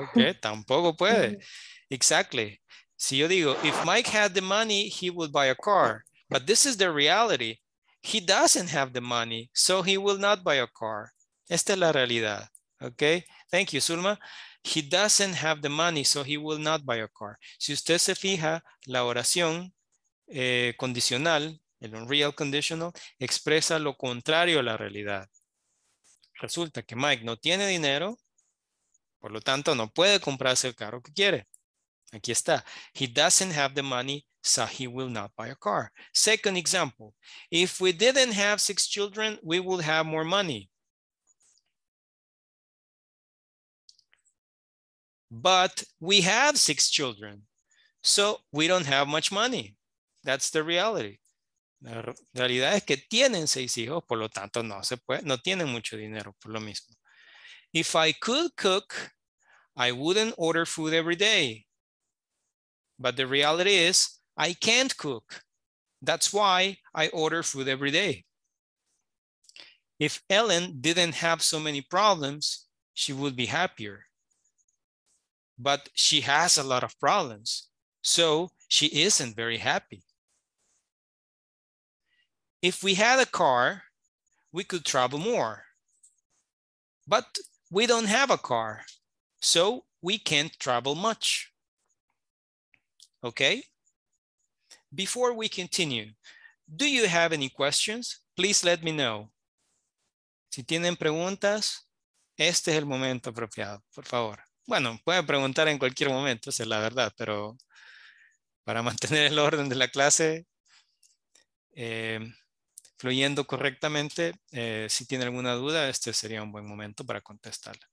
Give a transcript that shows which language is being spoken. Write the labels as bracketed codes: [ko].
[es] Okay, tampoco puede. [en] Exactly. [es] Si yo digo, [en] if Mike had the money, he would buy a car. But this is the reality. He doesn't have the money, so he will not buy a car. [es] Esta es la realidad. [en] Okay? Thank you, Zulma. He doesn't have the money, so he will not buy a car. [es] Si usted se fija, la oración condicional, el unreal conditional, expresa lo contrario a la realidad. Resulta que Mike no tiene dinero, por lo tanto no puede comprarse el carro que quiere. Aquí está. [en] He doesn't have the money, so he will not buy a car. Second example. If we didn't have six children, we would have more money. but we have 6 children, so we don't have much money. That's the reality. [es] La realidad es que tienen 6 hijos, por lo tanto no se puede, no tienen mucho dinero por lo mismo. [en] If I could cook, I wouldn't order food every day. But the reality is, I can't cook. That's why I order food every day. If Ellen didn't have so many problems, she would be happier. But she has a lot of problems, so she isn't very happy. If we had a car, we could travel more. But we don't have a car, so we can't travel much. Okay? Before we continue, do you have any questions? Please let me know. [es] Si tienen preguntas, este es el momento apropiado, por favor. Bueno, pueden preguntar en cualquier momento, esa es la verdad, pero para mantener el orden de la clase fluyendo correctamente, si tienen alguna duda, este sería un buen momento para contestarla.